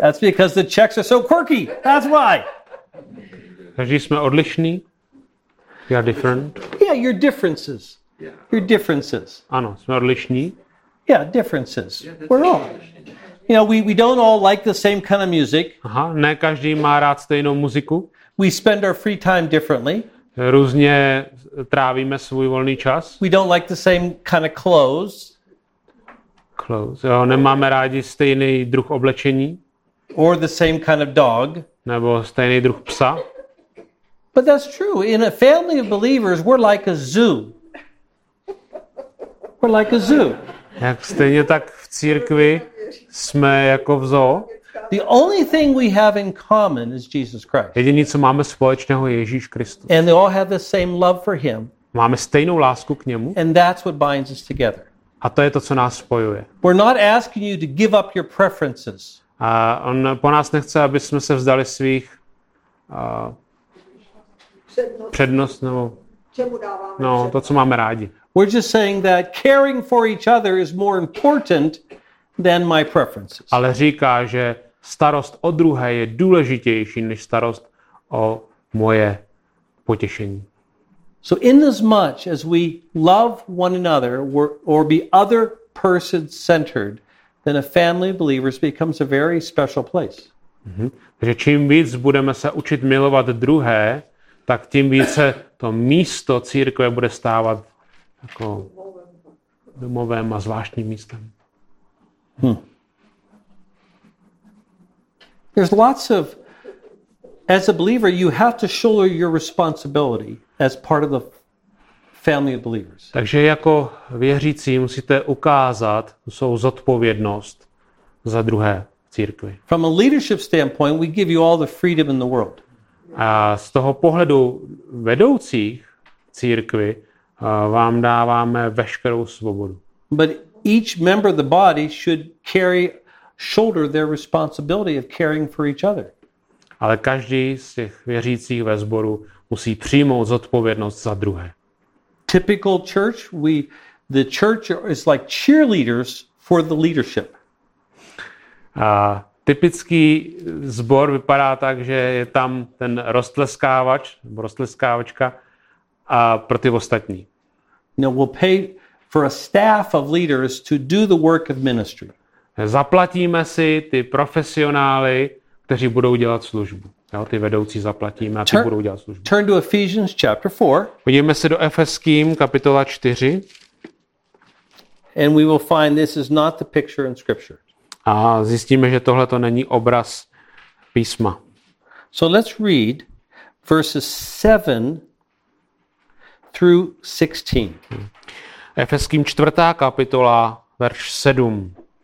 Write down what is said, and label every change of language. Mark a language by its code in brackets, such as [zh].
[en] That's because the Czechs are so quirky. That's why. [cs] Takže jsme odlišní. [en] We are different. Yeah, your differences. Your differences. [cs] Ano, jsme odlišní. [en] Yeah, differences. We're all. You know, we don't all like the same kind of music. [cs] Aha, ne každý má rád stejnou muziku. [en] We spend our free time differently. [cs] Různě trávíme svůj volný čas. [en] We don't like the same kind of clothes. Clothes. [cs] Jo, nemáme rádi stejný druh oblečení. [en] Or the same kind of dog. [cs] Nebo stejný druh psa. [en] But that's true. In a family of believers, we're like a zoo. We're like a zoo. [cs] Jak stejně tak v církvi jsme jako v zoo. [en] The only thing we have in common is Jesus Christ. [cs] Jediné, co máme společného, je Ježíš Kristus. [en] And they all have the same love for him. [cs] Máme stejnou lásku k němu. [en] And that's what binds us together. [cs] A to je to, co nás spojuje. [en] We're not asking you to give up your preferences. [cs] A on po nás nechce, aby jsme se vzdali svých přednost nebo no, to, co máme rádi. [en] We're just saying that caring for each other is more important than my preferences. [cs] Ale říká, že starost o druhé je důležitější než starost o moje potěšení. [en] So in as much as we love one another or be other person centered, then a family of believers becomes a very special place. Mm-hmm. [cs] Takže čím víc budeme se učit milovat druhé, tak tím více to místo církve bude stávat jako domovem a zvláštním místem. [en] There's lots of, as a believer, you have to shoulder your responsibility as part of the family of believers. [cs] Takže jako věřící musíte ukázat svou zodpovědnost za druhé v církvi. [en] From a leadership standpoint, we give you all the freedom in the world. [cs] A z toho pohledu vedoucích církvi vám dáváme veškerou svobodu. [en] But each member of the body should carry shoulder their responsibility of caring for each other. [cs] Ale každý z těch věřících ve sboru musí přijmout zodpovědnost za druhé. [en] Typical church, the church is like cheerleaders for the leadership. [cs] A typický sbor vypadá tak, že je tam ten roztleskávač, roztleskávačka a pro ty ostatní. [en] No, we'll pay for a staff of leaders to do the work of ministry. [cs] Zaplatíme si ty profesionály, kteří budou dělat službu. Jo, ty vedoucí zaplatíme a ty budou dělat službu. [en] Turn to Ephesians chapter 4. [cs] Podívejme se do Efeským kapitola 4. [en] And we will find this is not the picture in scripture. [cs] A zjistíme, že tohle to není obraz písma. [en] So let's read verses 7 through 16. [cs] Efeským 4. kapitola, verš 7.